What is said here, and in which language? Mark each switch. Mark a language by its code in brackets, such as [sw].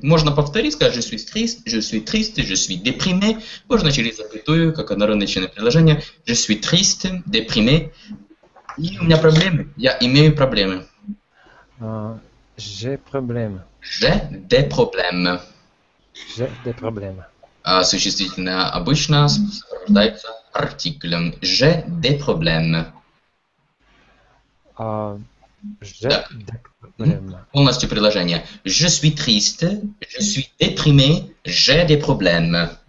[fr] Moi, je n'ai pas повторюсь, car je suis triste, je suis déprimé. [ru] Можно через запятую, как одноречное предложение. [fr] Je suis triste, déprimé. [ru] И у меня проблемы. Я имею проблемы. [fr] J'ai problème. J'ai des problèmes. J'ai des problèmes. [ru] Существительное обычно сопровождается артиклем. [fr] J'ai des problèmes. J'ai des problèmes. [ru] Полностью предложение. [fr] Je suis triste, je suis déprimé, j'ai des problèmes.